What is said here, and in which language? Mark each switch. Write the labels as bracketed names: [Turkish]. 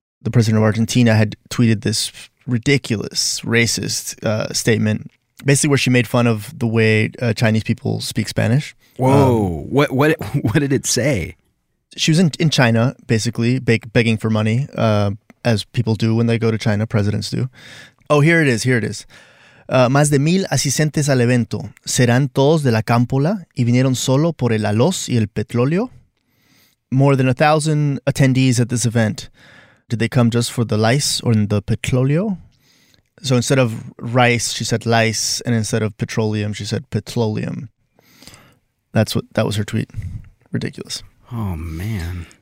[English] the president of Argentina had tweeted this ridiculous, racist statement, basically where she made fun of the way Chinese people speak Spanish. Whoa, what did it say? She was in China, basically, begging for money, as people do when they go to China, presidents do. Oh, here it is. [Spanish] Más de 1,000 asistentes al evento serán todos de la Cámpola y vinieron solo por el alos y el petróleo. [English] More than 1,000 attendees at this event. Did they come just for the lice or the petróleo? So instead of rice, she said lice, and instead of petroleum, she said petroleum. That was her tweet. Ridiculous. Oh, man.